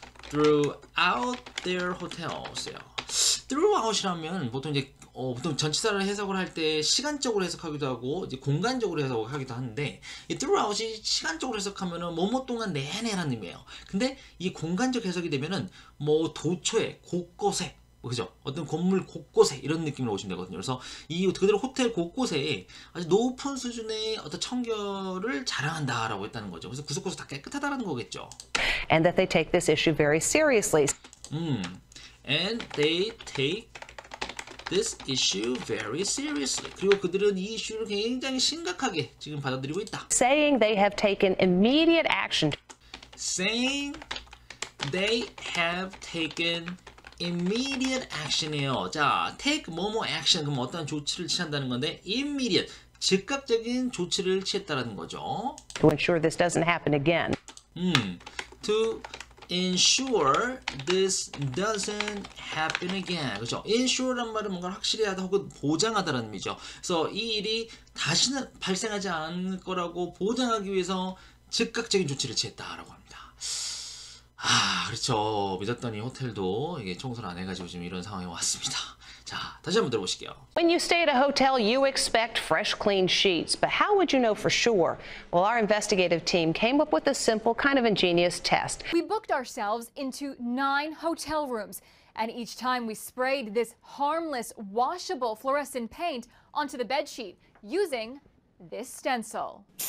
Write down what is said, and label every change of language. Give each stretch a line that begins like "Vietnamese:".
English: Throughout their hotels
Korean: 요. Throughout이라면 보통 이제 보통 전치사를 해석을 할 때 시간적으로 해석하기도 하고 이제 공간적으로 해석하기도 하는데 이 throughout이 시간적으로 해석하면은 뭐뭐 동안 내내라는 의미예요. 근데 이 공간적 해석이 되면은 뭐 도처에 곳곳에 그죠? 어떤 건물 곳곳에 이런 느낌으로 오시면 되거든요. 그래서 이 그대로 호텔 곳곳에 아주 높은 수준의 어떤 청결을 자랑한다라고 했다는 거죠. 그래서 구석구석 다 깨끗하다는 거겠죠.
English: And that they take this issue very seriously. And they take this issue very seriously.
Korean: 그리고 그들은 이 이슈를 굉장히 심각하게 지금 받아들이고 있다.
English: Saying they have taken immediate action. Saying they have taken immediate action이에요.
Korean: 자, take 뭐뭐 action 그럼 어떤 조치를 취한다는 건데 immediate 즉각적인 조치를 취했다라는 거죠.
English: To ensure this doesn't happen again. To ensure this doesn't happen again.
Korean: 그렇죠? Ensure란 말은 뭔가 확실히 하다 혹은 보장하다라는 의미죠. 그래서 이 일이 다시는 발생하지 않을 거라고 보장하기 위해서 즉각적인 조치를 취했다라고 합니다. 아, 그렇죠. 믿었더니 호텔도 이게 청소를 안 해가지고 지금 이런 상황에 왔습니다. 자, 다시 한번 들어보실게요.
English: When you stay at a hotel, you expect fresh, clean sheets. But how would you know for sure? Well, our investigative team came up with a simple, kind of ingenious test. We booked ourselves into 9 hotel rooms. And each time we sprayed this harmless, washable fluorescent paint onto the bed sheet using this stencil.